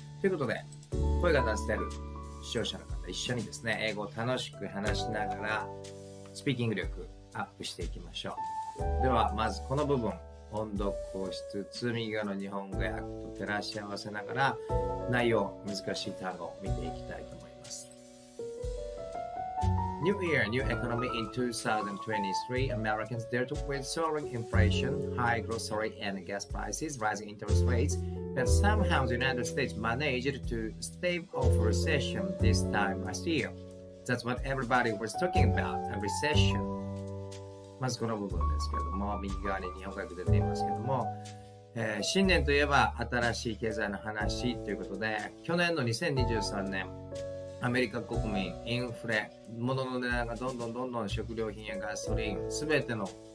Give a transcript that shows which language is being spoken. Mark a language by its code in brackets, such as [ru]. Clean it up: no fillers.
[ja] ということで、声が出せる視聴者の方、一緒にですね、英語を楽しく話しながらスピーキング力アップしていきましょう。ではまずこの部分、音読をしつつ右側の日本語訳と照らし合わせながら、内容、難しい単語を見ていきたいと思います。 [en] New year, new economy in 2023. Americans dealt with soaring inflation, high grocery and gas prices, rising interest rates, but somehow the United States managed to stave off recession this time last year. That's what everybody was talking about, a recession. [ja] まずこの部分ですけれども、右側に日本語訳出ていますけれども、新年といえば新しい経済の話ということで、去年の2023年、アメリカ国民、インフレ、物の値段がどんどん食料品やガソリン、すべての